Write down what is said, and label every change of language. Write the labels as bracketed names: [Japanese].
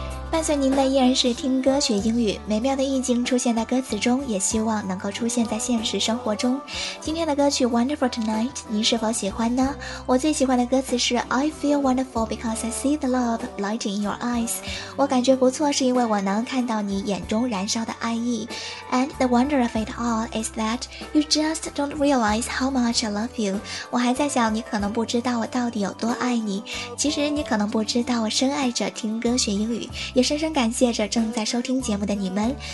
[Chinese] 伴随您的依然是听歌学英语，美妙的意境出现在歌词中，也希望能够出现在现实生活中。今天的歌曲 Wonderful Tonight 您是否喜欢呢？我最喜欢的歌词是 [English] I feel wonderful because I see the love lighting in your eyes. [Chinese] 我感觉不错是因为我能看到你眼中燃烧的爱意。 [English] And the wonder of it all is that you just don't realize how much I love you. [Chinese] 我还在想你可能不知道我到底有多爱你，其实你可能不知道我深爱着听歌学英语，也深深感谢着正在收听节目的你们。